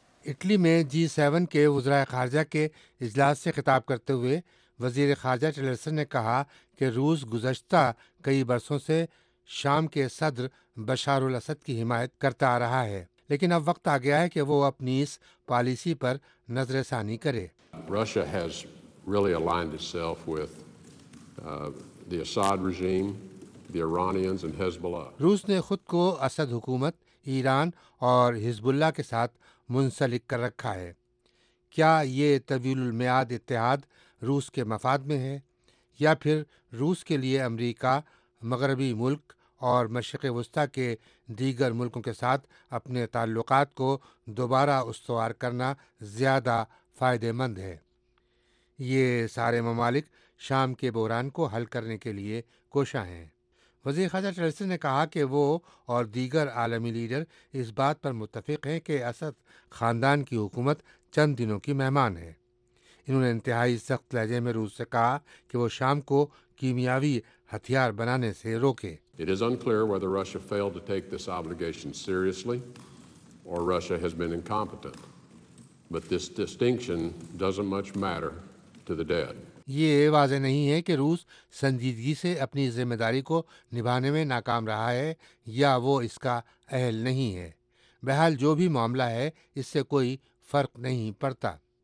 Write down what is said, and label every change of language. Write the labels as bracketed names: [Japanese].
[Urdu] Italy میں جی seven کے وزراء خارجہ کے اجلاس سے خطاب کرتے ہوئے وزیر خارجہ ٹیلرسن نے کہا کہ روس گزشتہ کئی برسوں سے شام کے صدر بشار الاسد کی حمایت کرتا آ رہا ہے, لیکن اب وقت آ گیا ہے کہ وہ اپنی اس پالیسی پر نظر ثانی کرے. [English] Russia has really aligned itself with the Assad regime, the Iranians and Hezbollah. [Urdu] روس نے خود کو اسد حکومت, ایران اور حزب اللہ کے ساتھ منسلک کر رکھا ہے. کیا یہ طویل المیاد اتحاد روس کے مفاد میں ہے, یا پھر روس کے لیے امریکہ مغربی ملک اور مشرق وسطیٰ کے دیگر ملکوں کے ساتھ اپنے تعلقات کو دوبارہ استوار کرنا زیادہ فائدہ مند ہے؟ یہ سارے ممالک شام کے بحران کو حل کرنے کے لیے کوشاں ہیں. وزیر خارجہ ٹیلرسن نے کہا کہ وہ اور دیگر عالمی لیڈر اس بات پر متفق ہیں کہ اسد خاندان کی حکومت چند دنوں کی مہمان ہے. انہوں نے انتہائی سخت لہجے میں روس سے کہا کہ وہ شام کو کیمیاوی ہتھیار بنانے سے روکے. [English] It is unclear whether Russia failed to take this obligation seriously or Russia has been incompetent. But this distinction doesn't much matter to the dead. [Urdu] یہ واضح نہیں ہے کہ روس سنجیدگی سے اپنی ذمہ داری کو نبھانے میں ناکام رہا ہے یا وہ اس کا اہل نہیں ہے. بہرحال جو بھی معاملہ ہے اس سے کوئی فرق نہیں پڑتا.